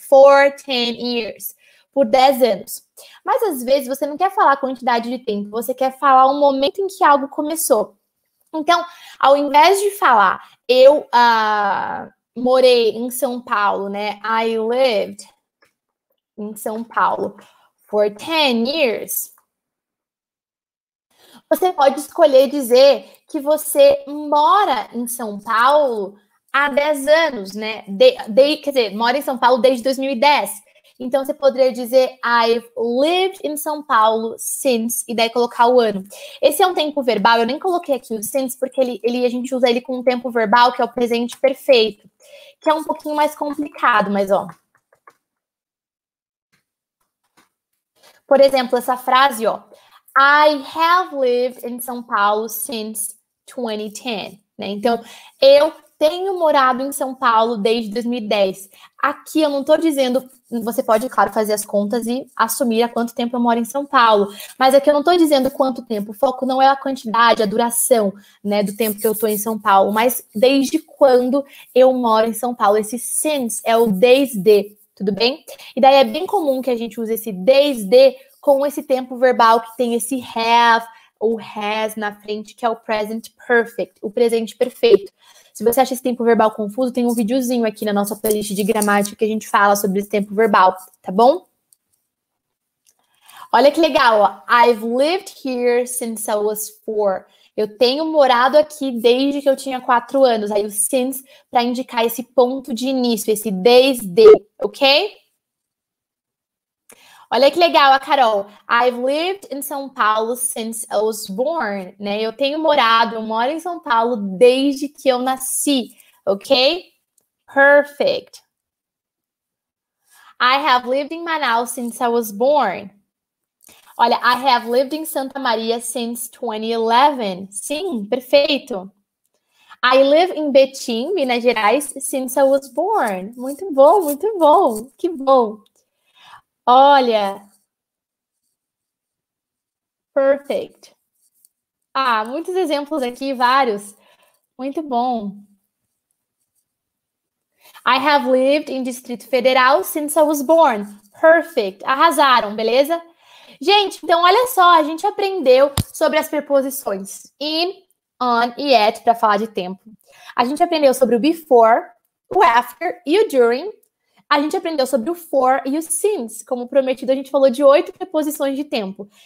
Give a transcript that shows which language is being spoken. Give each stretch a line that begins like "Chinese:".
English: For 10 years,
Portuguese: por 10 anos. Mas, às vezes, você não quer falar a quantidade de tempo, você quer falar o momento em que algo começou. Então, ao invés de falar, eu morei em São Paulo, né?
English: I lived em São Paulo for 10 years.
Portuguese: Você pode escolher dizer que você mora em São Paulo há 10 anos, né? Quer dizer, mora em São Paulo desde 2010. Então, você poderia dizer
English: I've lived in São Paulo since,
Portuguese: e daí colocar o ano. Esse é um tempo verbal, eu nem coloquei aqui o since, porque a gente usa ele com um tempo verbal, que é o presente perfeito, que é um pouquinho mais complicado, mas ó. Por exemplo, essa frase, ó.
English: I have lived in São Paulo since 2010.
Portuguese: Né? Então, eu tenho morado em São Paulo desde 2010. Aqui eu não estou dizendo, você pode, claro, fazer as contas e assumir há quanto tempo eu moro em São Paulo. Mas aqui eu não estou dizendo quanto tempo. O foco não é a quantidade, a duração, né, do tempo que eu estou em São Paulo, mas desde quando eu moro em São Paulo. Esse since é o desde. Tudo bem? E daí é bem comum que a gente use esse desde com esse tempo verbal que tem esse have ou has na frente, que é o present perfect, o presente perfeito. Se você acha esse tempo verbal confuso, tem um videozinho aqui na nossa playlist de gramática que a gente fala sobre esse tempo verbal, tá bom? Olha que legal, ó.
English: I've lived here since I was 4.
Portuguese: Eu tenho morado aqui desde que eu tinha 4 anos. Aí o since para indicar esse ponto de início, esse desde, ok? Olha que legal, a Carol.
English: I've lived in São Paulo since I was born.
Portuguese: Né? Eu moro em São Paulo desde que eu nasci, ok?
English: Perfect. I have lived in Manaus since I was born. Olha, I have lived in Santa Maria since 2011.
Portuguese: Sim, perfeito.
English: I live in Betim, Minas Gerais, since I was born.
Portuguese: Muito bom, muito bom. Que bom. Olha.
English: Perfect.
Portuguese: Ah, muitos exemplos aqui, vários. Muito bom.
English: I have lived in Distrito Federal since I was born. Perfect.
Portuguese: Arrasaram, beleza? Gente, então olha só, a gente aprendeu sobre as preposições in, on e at para falar de tempo. A gente aprendeu sobre o before, o after e o during. A gente aprendeu sobre o for e o since. Como prometido, a gente falou de 8 preposições de tempo.